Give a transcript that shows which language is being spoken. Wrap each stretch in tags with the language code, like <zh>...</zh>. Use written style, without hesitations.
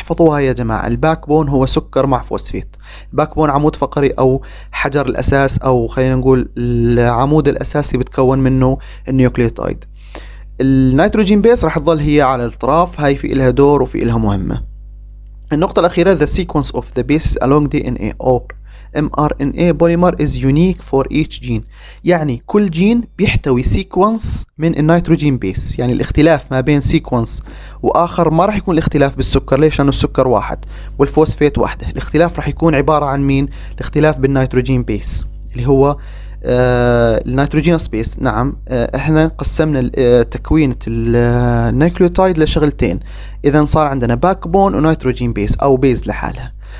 <ar>احفظوها يا جماعة، الباك بون هو سكر مع فوسفيت. الباك بون عمود فقري أو حجر الأساس، أو خلينا نقول العمود الأساسي بتكون منه النيوكليوتايد. النيتروجين بيس راح تظل هي على الأطراف، هاي في إلها دور وفي إلها مهمة. النقطة الأخيرة</ar> <en>the sequence of the bases along DNA or mRNA polymer is unique for each gene،</en> <ar>يعني كل جين بيحتوي سيكونس من النيتروجين بيس. يعني الاختلاف ما بين سيكونس وآخر ما راح يكون الاختلاف بالسكر، ليش؟ لأنه السكر واحد والفوسفيت واحدة. الاختلاف راح يكون عبارة عن مين؟ الاختلاف بالنيتروجين بيس اللي هو النيتروجين سبيس. نعم، احنا قسمنا تكوينة النيكليوتايد لشغلتين، اذا صار عندنا باك بون ونيتروجين بيس او بيز لحالها.</ar>